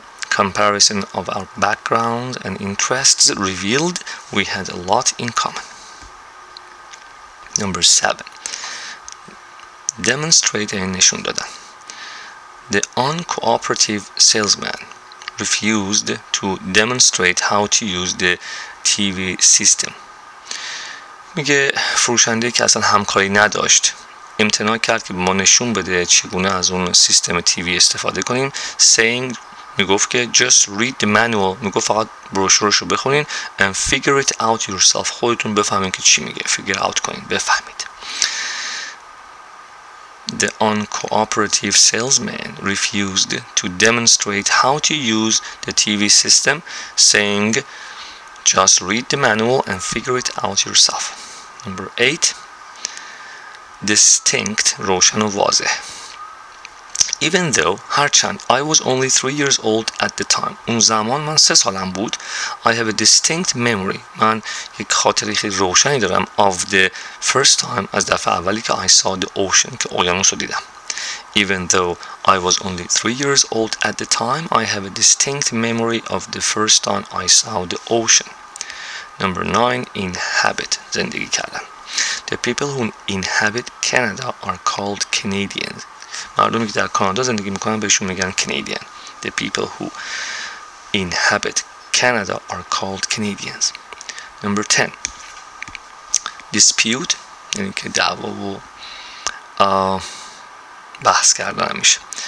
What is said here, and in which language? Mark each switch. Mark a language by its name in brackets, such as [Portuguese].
[English] Comparison of our backgrounds and interests revealed we had a lot in common. Number 7, demonstrate, [Persian] این نشون دادن. [English] The uncooperative salesman refused to demonstrate how to use the TV system. [Persian] میگه فروشنده که اصلا همکاری نداشت امتناع کرد که ما نشون بده چگونه از اون سیستم تیوی استفاده کنیم. [English] Saying, [Persian] میگفت که [English] just read the manual, [Persian] میگفت فقط بروشورشو بخونین, [English] and figure it out yourself, [Persian] خودتون بفهمین که چی میگه, [English] figure out [Persian] کنین, بفهمید. [English] The uncooperative salesman refused to demonstrate how to use the TV system, saying just read the manual and figure it out yourself. Number 8, distinct, [Persian] روشن و واضح. [English] Even though, [Persian] هرچند, [English] I was only 3 years old at the time, [Persian] اون زمان من 3 سالم بود, [English] I have a distinct memory, [Persian] من یک خاطره خیلی روشنی دارم, [English] of the first time, [Persian] از دفعه اولی که [English] I saw the ocean, [Persian] که اقیانوس رو دیدم. [English] Even though I was only 3 years old at the time. I have a distinct memory of the first time I saw the ocean. Number 9. Inhabit [Persian] زندگی کردن. [English] The people who inhabit Canada are called Canadians. [Persian] مردمی که در کانادا زندگی میکنن بهشون میگن Canadian. [English] The people who inhabit Canada are called Canadians. Number 10. [Persian] Dispute یعنی که دعوا و بحث کردن میشه.